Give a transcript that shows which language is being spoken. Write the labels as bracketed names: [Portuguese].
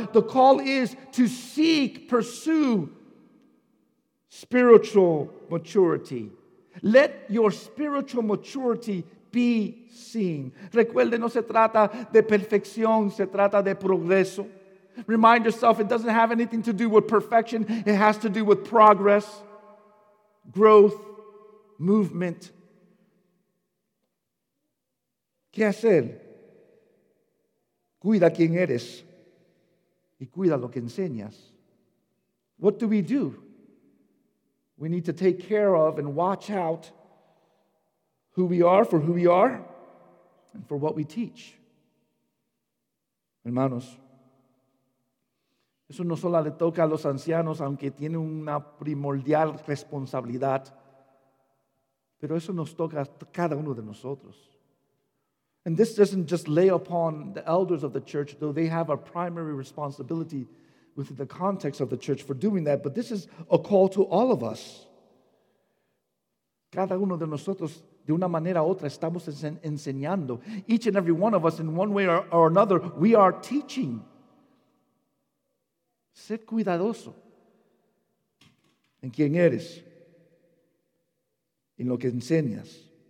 [English] The call is to seek, pursue spiritual maturity. Let your spiritual maturity be seen. [Spanish] Recuerde, no se trata de perfección, se trata de progreso. [English] Remind yourself, it doesn't have anything to do with perfection. It has to do with progress, growth, movement. [Spanish] ¿Qué hacer? Cuida quién eres y cuida lo que enseñas. [English] What do we do? We need to take care of and watch out who we are, for who we are, and for what we teach. [Spanish] Hermanos, eso no solo le toca a los ancianos, aunque tiene una primordial responsabilidad, pero eso nos toca a cada uno de nosotros. [English] And this doesn't just lay upon the elders of the church, though they have a primary responsibility within the context of the church for doing that, but this is a call to all of us. [Spanish] Cada uno de nosotros, de una manera u otra, estamos enseñando. [English] Each and every one of us, in one way or another, we are teaching. [Spanish] Sé cuidadoso en quién eres, en lo que enseñas.